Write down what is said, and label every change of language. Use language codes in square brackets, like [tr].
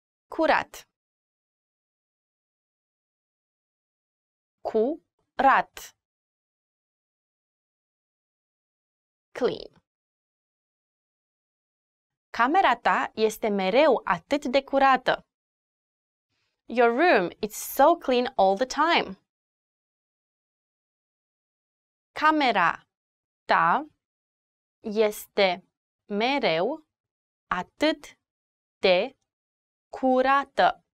[ro] Curat. Curat. [en] Clean. [ro] Camera ta este mereu atât de curată. [en] Your room is so clean all the time. [ro] Camera ta este mereu atât de curată.